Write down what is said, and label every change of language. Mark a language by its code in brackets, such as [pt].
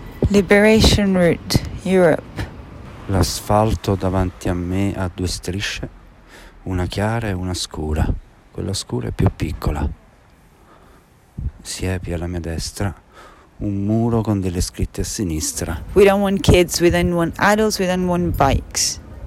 [en] Liberation Route, Europe. [it] L'asfalto davanti a me ha due strisce, una chiara e una scura. Quella scura è più piccola. Siepi alla mia destra, un muro con delle scritte a sinistra. [en] We don't want kids, we don't want adults, we don't want bikes.